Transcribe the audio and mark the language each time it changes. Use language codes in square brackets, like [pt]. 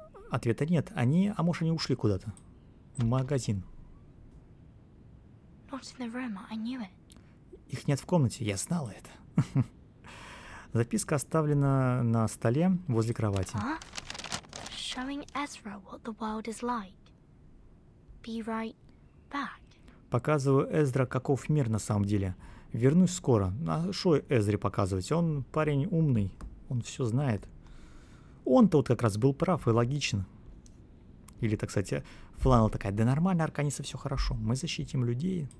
[ru] Ответа нет. Они, а может, они ушли куда-то? В магазин. [en] Not in the room, I knew it. [ru] Их нет в комнате, я знала это. Записка оставлена на столе возле кровати. [en] Showing Ezra what the world is like. Be right back. [ru] Показываю Эзре, каков мир на самом деле. Вернусь скоро. А что Эзре показывать? Он парень умный, он все знает. Он-то вот как раз был прав и логичен. Или так, кстати, Фланел такая, да нормально, Арканиса, все хорошо, мы защитим людей.